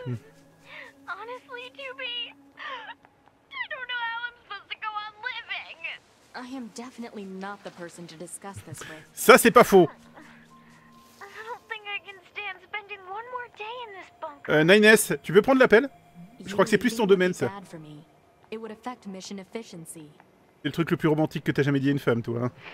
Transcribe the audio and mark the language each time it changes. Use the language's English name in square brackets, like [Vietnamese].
[English] Honestly, Tubi, I don't know how I'm supposed to go on living. I am definitely not the person to discuss this with. [French] Ça, c'est pas faux. [English] I don't think I can stand spending one more day in this bunker. [French] Nines, tu veux prendre l'appel? Je crois que c'est plus ton domaine, ça. [English] It would affect mission efficiency. [French] C'est le truc le plus romantique que t'as jamais dit à une femme, toi. Hein.